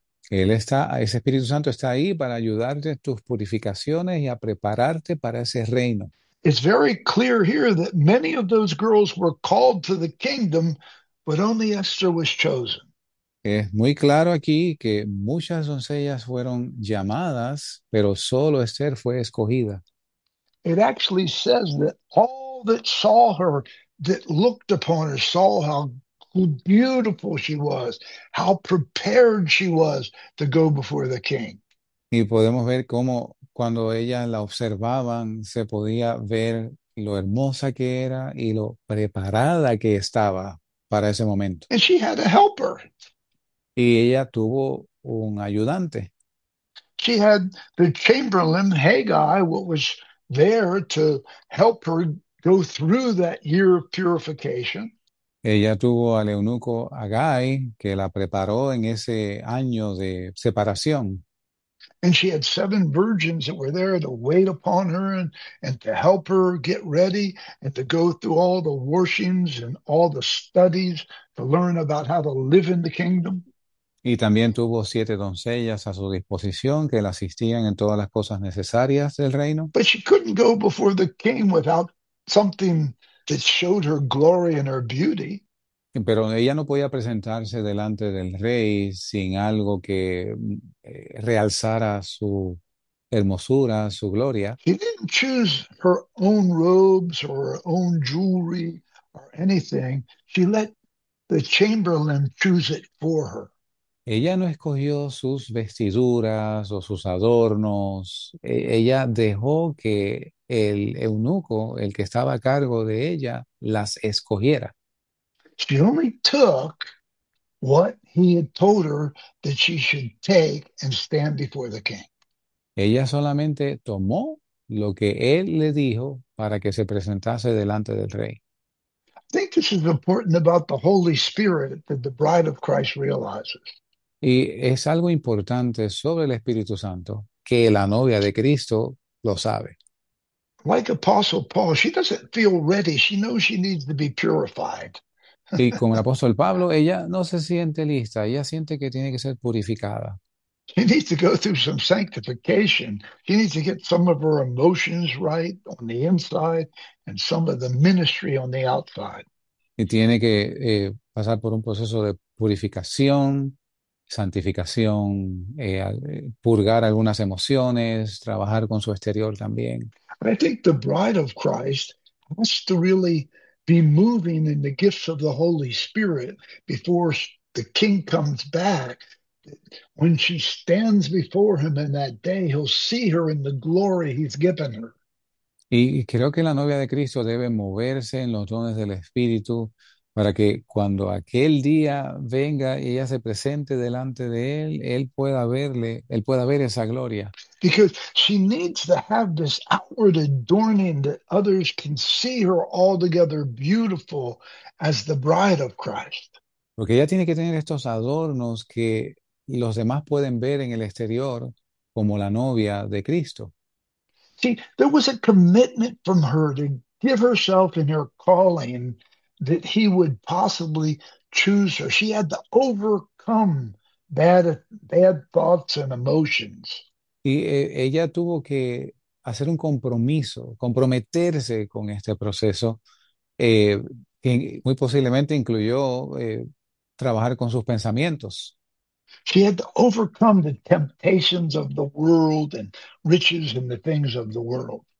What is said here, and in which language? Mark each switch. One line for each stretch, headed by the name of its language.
Spanish: Ese Espíritu Santo está ahí para ayudarte en tus purificaciones y a prepararte para ese reino.
English: It's very clear here that many of those girls were called to the kingdom, but only Esther was chosen.
Spanish: Es muy claro aquí que muchas doncellas fueron llamadas, pero solo Esther fue escogida.
English: It actually says that all that saw her, that looked upon her, saw how beautiful she was, how prepared she was to go before the king.
Spanish: Y podemos ver cómo cuando ellas la observaban se podía ver lo hermosa que era y lo preparada que estaba para ese momento.
English: And she had a helper.
Spanish: Y ella tuvo un ayudante.
English: She had the chamberlain, Haggai, what was there to help her go through that year of purification.
Spanish: Ella tuvo al eunuco Agai que la preparó en ese año de separación.
English: And she had seven virgins that were there to wait upon her and to help her get ready and to go through all the washings and all the studies to learn about how to live in the kingdom.
Spanish: Y también tuvo siete doncellas a su disposición que le asistían en todas las cosas necesarias del reino.
English: But she couldn't go before the king without something that showed her glory and her beauty.
Spanish: Pero ella no podía presentarse delante del rey sin algo que realzara su hermosura, su gloria.
English: She didn't choose her own robes or her own jewelry or anything. She let the chamberlain choose it for her.
Spanish: Ella no escogió sus vestiduras o sus adornos. Ella dejó que el eunuco, el que estaba a cargo de ella, las escogiera. She only took what he had told her that she should take and stand before the king. Ella solamente tomó lo que él le dijo para que se presentase delante del rey.
English: I think this is important about the Holy Spirit that the bride of Christ realizes.
Spanish: Y es algo importante sobre el Espíritu Santo que la novia de Cristo lo sabe.
English: Like Apostle Paul, she doesn't feel ready. She knows she needs to be purified.
Spanish: Y con el apóstol Pablo, ella no se siente lista, ella siente que tiene que ser purificada.
English: She needs to go through some sanctification. She needs to get some of her emotions right on the inside and some of the ministry on the outside.
Spanish: Y tiene que pasar por un proceso de purificación. Santificación, purgar algunas emociones, trabajar con su exterior también.
English: I think the bride of Christ has to really be moving in the gifts of the Holy Spirit before the king comes back. When she stands before him in that day, he'll see her in the glory he's given her.
Spanish: Y creo que la novia de Cristo debe moverse en los dones del Espíritu, para que cuando aquel día venga y ella se presente delante de él, él pueda verle, él pueda ver esa gloria.
English: because she needs to have this outward adorning that others can see her altogether beautiful as the bride of Christ.
Spanish: Porque ella tiene que tener estos adornos que los demás pueden ver en el exterior como la novia de Cristo.
English: See, there was a commitment from her to give herself in her calling that he would possibly choose her. She had to overcome bad thoughts and emotions.
Spanish: Y ella tuvo que hacer un compromiso, comprometerse con este proceso, que muy posiblemente incluyó trabajar con sus pensamientos.
English: She had to overcome the temptations of the world and riches and the things of the world.